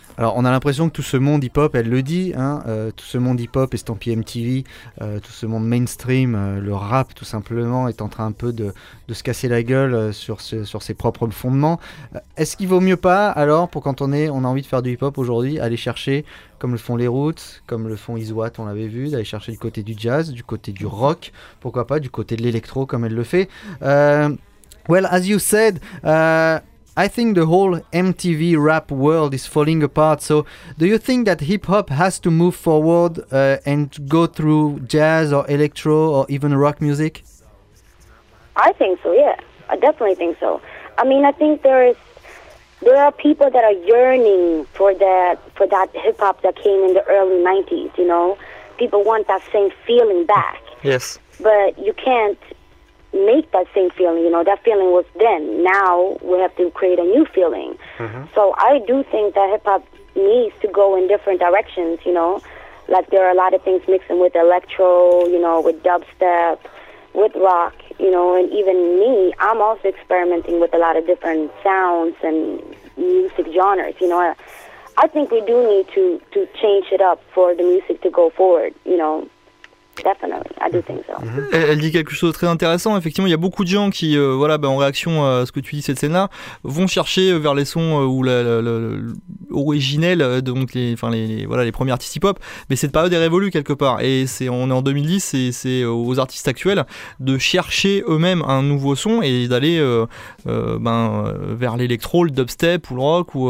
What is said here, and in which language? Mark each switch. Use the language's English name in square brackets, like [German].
[French] Alors on a l'impression que tout ce monde hip-hop, elle le dit, hein, tout ce monde hip-hop est estampillé MTV, tout ce monde mainstream, le rap tout simplement, est en train un peu de se casser la gueule sur ses propres fondements. Est-ce qu'il vaut mieux pas, alors, pour quand on a envie de faire du hip-hop aujourd'hui, aller chercher, comme le font les Roots, comme le font Iswat, on l'avait vu, d'aller chercher du côté du jazz, du côté du rock, pourquoi pas, du côté de l'électro, comme elle le fait. [English] Well, as you said... I think the whole MTV rap world is falling apart. So do you think that hip-hop has to move forward and go through jazz or electro or even rock music? I think so, yeah. I definitely think so. I mean, I think there are people that are yearning for that hip-hop that came in the early 90s, you know? People want that same feeling back. Yes. But you can't make that same feeling, you know, that feeling was then. Now we have to create a new feeling. Mm-hmm. So I do think that hip-hop needs to go in different directions, you know, like there are a lot of things mixing with electro, you know, with dubstep, with rock, you know, and even me, I'm also experimenting with a lot of different sounds and music genres, you know. I think we do need to change it up for the music to go forward, you know. Definitely, I do think so. [French] Elle dit quelque chose de très intéressant. Effectivement, il y a beaucoup de gens qui, voilà, ben, en réaction à ce que tu dis, cette scène-là, vont chercher vers les sons originels, donc les premiers artistes hip-hop. Mais cette période est révolue quelque part. Et on est en 2010, et c'est aux artistes actuels de chercher eux-mêmes un nouveau son et d'aller vers l'électro, le dubstep ou le rock.